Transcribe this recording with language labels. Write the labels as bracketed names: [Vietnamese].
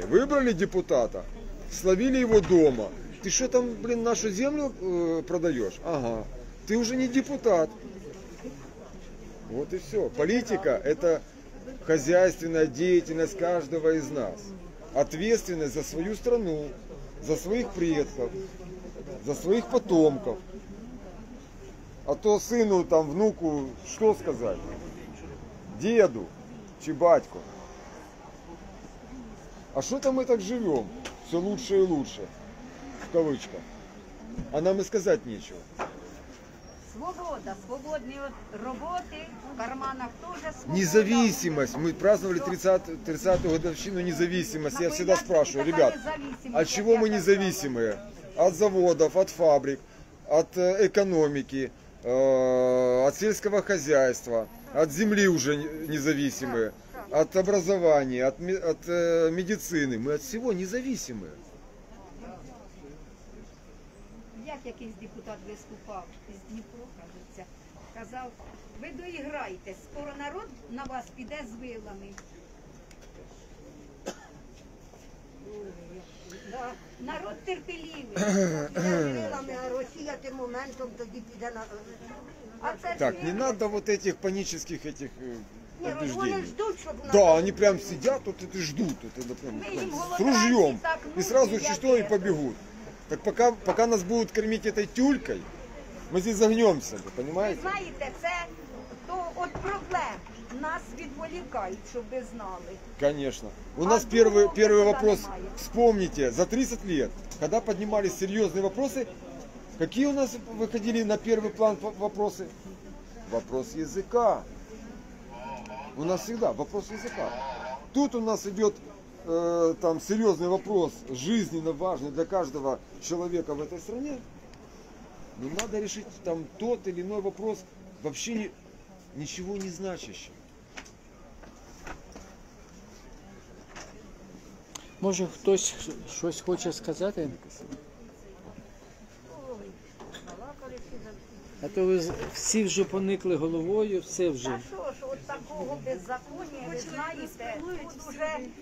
[Russian] Выбрали депутата, словили его дома. Ты что там, блин, нашу землю продаешь? Ага. Ты уже не депутат. Вот и все. Политика – это хозяйственная деятельность каждого из нас. Ответственность за свою страну, за своих предков, за своих потомков. [Ukrainian] А то сину, там, внуку, що сказати? Діду чи батько? А що там ми так живемо? Все лучше і лучше, в кавичках. А нам і сказати нічого. Свобода, свободні роботи, в карманах теж свобода. Незалежність. Ми праздновали 30-ту годовщину незалежності. Я завжди спрашиваю, ребят, а чого ми незалежні? От заводів, от фабрик, от економіки, от сільського господарства, от землі вже незалежні, от образування, от медицини. Ми від всього незалежні. Як якийсь депутат виступав із Дніпро, кажеться, казав, ви доіграйте, скоро народ на вас піде з вилами. Да. Народ терпеливий. Вилами, а Росія тим моментом тоді піде на... А це так, не треба [Russian] вот этих [Ukrainian] панічних этих... Ні, вони ждуть, щоб нас... Да, вони прям сидять тут вот, і ждуть. Вот, прям, з ружьем. І сразу чи що, і побігуть. [Russian] Так пока нас будуть кормити этой тюлькой, ми здесь загнемся, ви понимаете? [Ukrainian] Ви знаєте, це то от проблем. Нас відволікають, щоб ви знали. [Russian] Конечно. У нас первый вопрос. Вспомните, за 30 лет, когда поднимались серьезные вопросы, какие у нас выходили на первый план вопросы? Вопрос языка. У нас всегда вопрос языка. Тут у нас идет там серьезный вопрос, жизненно важный для каждого человека в этой стране. Но надо решить там тот или иной вопрос, вообще ничего не значащий. [Ukrainian] Може, хтось щось хоче сказати? А то ви всі вже поникли головою, все вже. А що ж, от такого беззаконня, ви знаєте, тут вже...